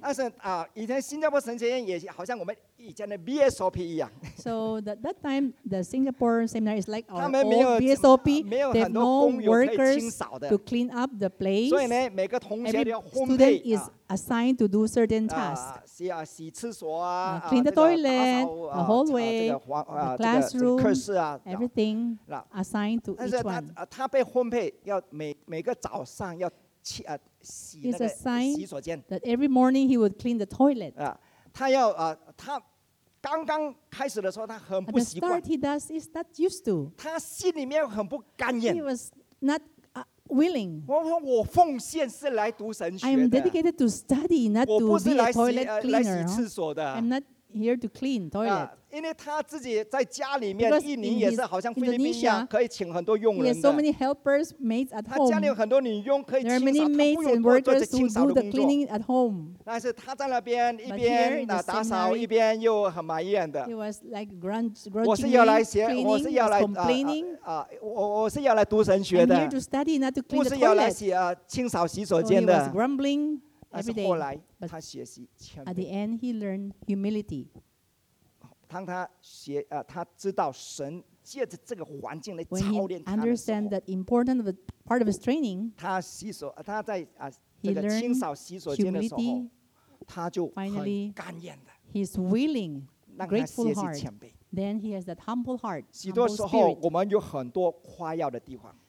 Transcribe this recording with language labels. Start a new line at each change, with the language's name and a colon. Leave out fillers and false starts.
Chinese: 但是以前新加坡神学院也好像我们以前的 BSOP 一样。
English: So that time, the Singapore seminary is like our old BSOP. They have no workers to clean up the place.
Chinese: 所以呢，每个同学要分配。
English: Every student is assigned to do certain tasks.
Chinese: 洗厕所啊
English: ，clean the toilet, the hallway, the classroom,
Chinese: 课室啊
English: ，everything assigned to each one.
Chinese: 但是他被分配要每个早上要。
English: It's a sign that every morning he would clean the toilet.
Chinese: 他刚刚开始的时候他很不习惯。
English: At the start, he does is not used to.
Chinese: 他心里面很不甘愿。
English: He was not willing.
Chinese: 我奉献是来读神学的。
English: I am dedicated to study, not to be a toilet cleaner.
Chinese: 我不是来洗厕所的。
English: I'm not here to clean toilet.
Chinese: 因为他自己在家里面，印尼也是好像菲律宾一样，可以请很多佣人的。
English: He has so many helpers, maids at home.
Chinese: 他家里有很多女佣可以清扫，他不用做这清扫的工作。
English: There are many maids and workers who do the cleaning at home.
Chinese: 但是他在那边一边打扫，一边又很埋怨的。
English: He was like grudging.
Chinese: 我是要来学，我是要来
English: complaining.
Chinese: 我是要来读神学的。
English: I'm here to study, not to clean the toilet.
Chinese: 不是要来洗清扫洗手间的。
English: So he was grumbling every day.
Chinese: 但是后来他学习谦卑。
English: At the end, he learned humility.
Chinese: 当他学他知道神借着这个环境来操练他的时候
English: When he understand that important part of his training,
Chinese: 他洗手他在这个清扫洗手间的时候，他就很甘愿的。
English: He's willing, grateful heart. Then he has that humble heart.
Chinese: 许多时候我们有很多夸耀的地方。